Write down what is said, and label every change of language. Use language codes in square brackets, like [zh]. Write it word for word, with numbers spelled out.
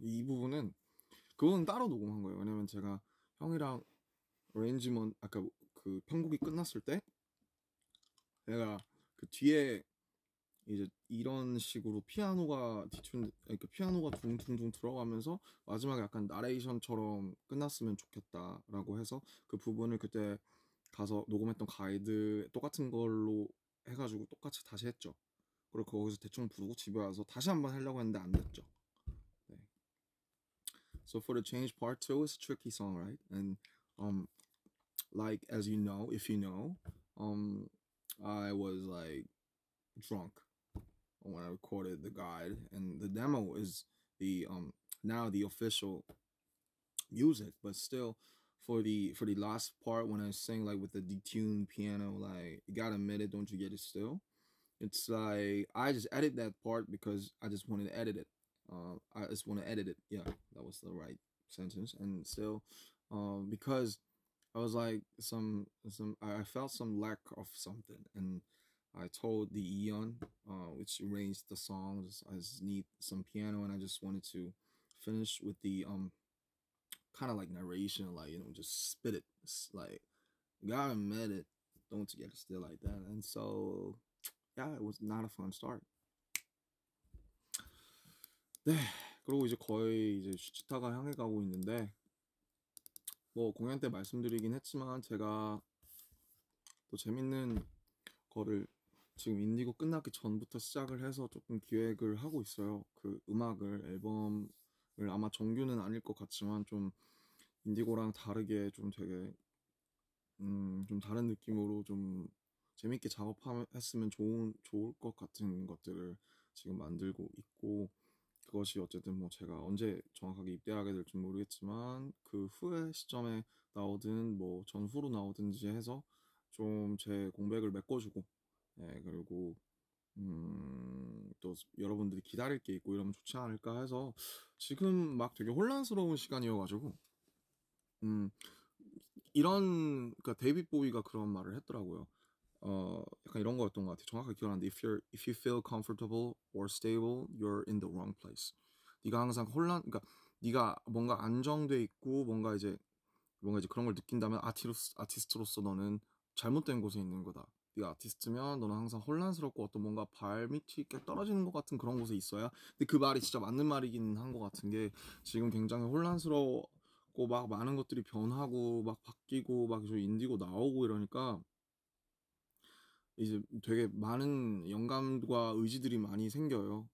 [ko] 이 부분은 그건 따로 녹음한 거예요. 왜냐면 제가 형이랑 레인지먼 아까 그 편곡이 끝났을 때 내가 그 뒤에 이제 이런 식으로 피아노가 뒤춘 그러니까 피아노가 둥둥둥 들어가면서 마지막에 약간 나레이션처럼 끝났으면 좋겠다라고 해서 그 부분을 그때 가서 녹음했던 가이드 똑같은 걸로 해가지고 똑같이 다시 했죠. 그리고 거기서 대충 부르고 집에 와서 다시 한번 하려고 했는데 안 됐죠. 네. [en] So for the change part two, it's a tricky song, right? And um, like as you know, if you know, um, I was like drunk when I recorded the guide, and the demo is the um now the official music, but still for the for the last part when I sing like with the detuned piano, like you gotta admit it, don't you get it still? It's like I just edit that part because I just wanted to edit it. Uh, I just want to edit it. Yeah, that was the right sentence. And still, um, because I was like some some I I felt some lack of something, and I told the Eon, uh, which arranged the songs. I just need some piano, and I just wanted to finish with the um kind of like narration, like you know, just spit it, s- like gotta admit it, don't get it still like that. And so yeah, it was not a fun start. [ko] 네, 그리고 이제 거의 이제 슈치타가 향해 가고 있는데 뭐 공연 때 말씀드리긴 했지만 제가 또 재밌는 거를 지금 인디고 끝나기 전부터 시작을 해서 조금 기획을 하고 있어요. 그 음악을 앨범을 아마 정규는 아닐 것 같지만 좀 인디고랑 다르게 좀 되게 음, 좀 다른 느낌으로 좀 재밌게 작업했으면 좋은 좋을 것 같은 것들을 지금 만들고 있고, 그것이 어쨌든 뭐 제가 언제 정확하게 입대하게 될지 모르겠지만 그 후의 시점에 나오든 뭐 전후로 나오든지 해서 좀 제 공백을 메꿔주고, 예, 그리고 음, 또 여러분들이 기다릴 게 있고 이러면 좋지 않을까 해서 지금 막 되게 혼란스러운 시간이어가지고 음, 이런 그러니까 데이빗 보이가 그런 말을 했더라고요. 어, 약간 이런 거였던 것 같아요. 정확하게 기억나는데 [en] if you if you feel comfortable or stable, you're in the wrong place. [ko] 네가 항상 혼란, 그러니까 네가 뭔가 안정돼 있고 뭔가 이제 뭔가 이제 그런 걸 느낀다면 아티로스, 아티스트로서 너는 잘못된 곳에 있는 거다. 네가 아티스트면 너는 항상 혼란스럽고 어떤 뭔가 발밑이 꽤 떨어지는 것 같은 그런 곳에 있어야. 근데 그 말이 진짜 맞는 말이긴 한 것 같은 게 지금 굉장히 혼란스럽고 막 많은 것들이 변하고 막 바뀌고 막 저 인디고 나오고 이러니까 이제 되게 많은 영감과 의지들이 많이 생겨요.